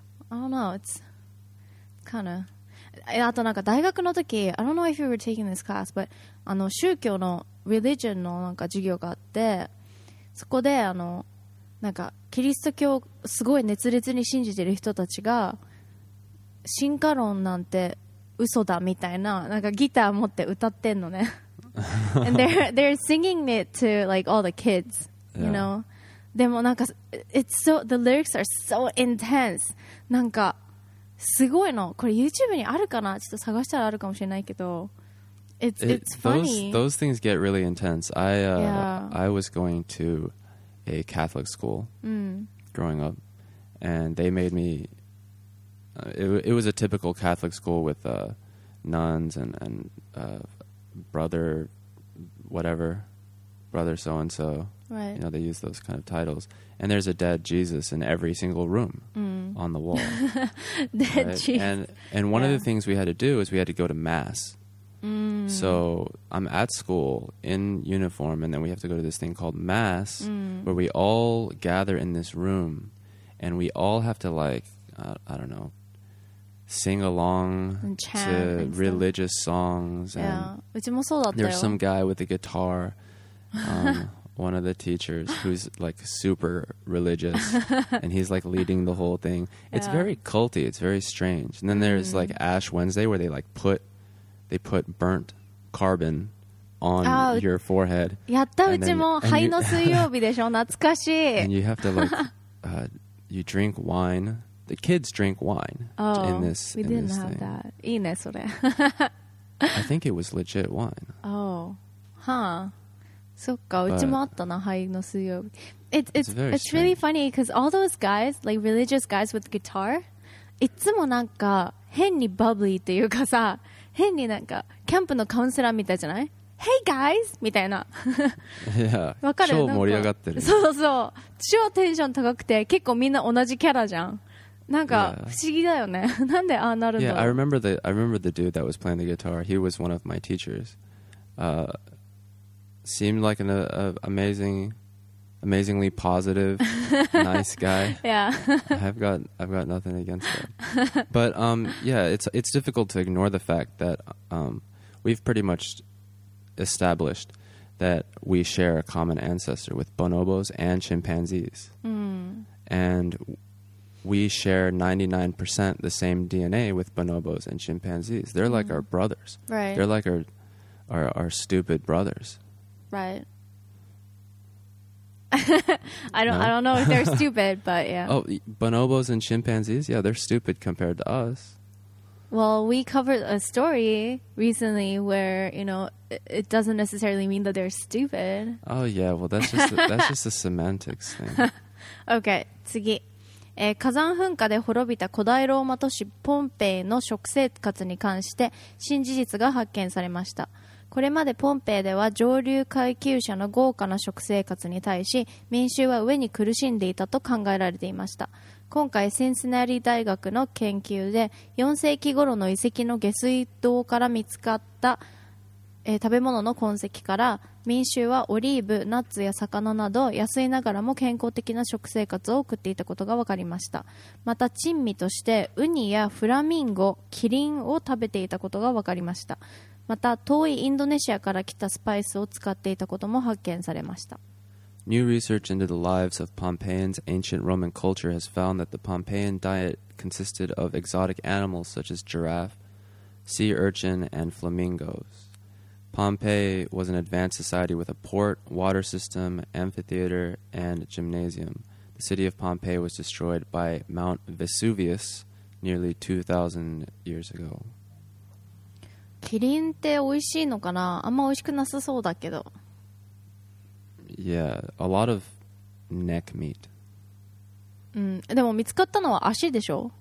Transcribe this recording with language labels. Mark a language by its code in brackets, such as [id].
[en] I don't know it's kind of [ja] あとなんか大学の時 [en] I don't know if you were taking this class but [ja] あの宗教の religion のなんか授業があってそこであのなんかキリスト教すごい熱烈に信じてる人たちが進化論なんて嘘だみたいななんかギター持って歌ってんのね。 [en] And they're singing it to like all the kids, you know. [ja] でもなんか [en] it's so the lyrics are so intense. [ja] なんかすごいの。これ YouTube にあるかな。ちょっと探したらあるかもしれないけど。 [en] It's funny. Those things get really intense. I was going to a Catholic school growing up, and they made me. It was a typical Catholic school with nuns and brother, whatever, brother so and so. Right. You know they use those kind of titles, and there's a dead Jesus in every single room on the wall. Dead right? Jesus. And one of the things we had to do is we had to go to mass. So I'm at school in uniform, and then we have to go to this thing called mass, where we all gather in this room, and we all have to like I don't know, sing along and chant to religious songs. Yeah, there's some guy with a guitar, one of the teachers who's like super religious, and he's like leading the whole thing. It's very culty. It's very strange. And then there's like Ash Wednesday, where they like put. They put burnt carbon on your forehead. [ja] やった、うちも灰の水曜日でしょ、懐かしい。 [en] And you have to like, you drink wine. The kids drink wine in this thing. We didn't have that. [ja] いいね、それ。 [en] I think it was legit wine. Oh, huh. [ja] そっか、うちもあったな、灰の水曜日。 [en] It's really funny because all those guys, like religious guys with guitar, [ja] いつもなんか変にバブリーっていうかさ、変になんかキャンプのカウンセラーみたいじゃない [en] Hey guys! [ja] みたいな分かる超盛り上がってるそうそう超テンション高くて結構みんな同じキャラじゃんなんか不思議だよねなんでああなるんだ [en] Yeah, I remember the dude that was playing the guitar. He was one of my teachers. Seemed like an amazingly positive nice guy. Yeah. I've got nothing against that. But it's difficult to ignore the fact that we've pretty much established that we share a common ancestor with bonobos and chimpanzees. And we share 99% the same DNA with bonobos and chimpanzees. They're like our brothers. Right. They're like our stupid brothers. Right. I don't know if they're stupid, but yeah. Oh, bonobos and chimpanzees? Yeah, they're stupid compared to us. Well, we covered a story recently where, you know, it doesn't necessarily mean that they're stupid. Oh, yeah. Well, that's just a semantics thing. [ja] Okay, 次。火山噴火で滅びた古代ローマ都市ポンペイの食生活に関して新事実が発見されました。これまでポンペイでは上流階級者の豪華な食生活に対し民衆は飢えに苦しんでいたと考えられていました。今回シンシナリ大学の研究で4世紀頃の遺跡の下水道から見つかった、食べ物の痕跡から民衆はオリーブ、ナッツや魚など安いながらも健康的な食生活を送っていたことが分かりました。また珍味としてウニやフラミンゴ、キリンを食べていたことが分かりました。また遠いインドネシアから来たスパイスを使っていたことも発見されました。 [en] New research into the lives of Pompeians' ancient Roman culture has found that the Pompeian diet consisted of exotic animals such as giraffe, sea urchin, and flamingos. Pompeii was an advanced society with a port, water system, amphitheater, and gymnasium. The city of Pompeii was destroyed by Mount Vesuvius nearly 2,000 years ago. [ja] キリンって美味しいのかな？あんま美味しくなさそうだけど。 [en] Yeah, a lot of neck meat. [ja] うん、でも見つかったのは足でしょ？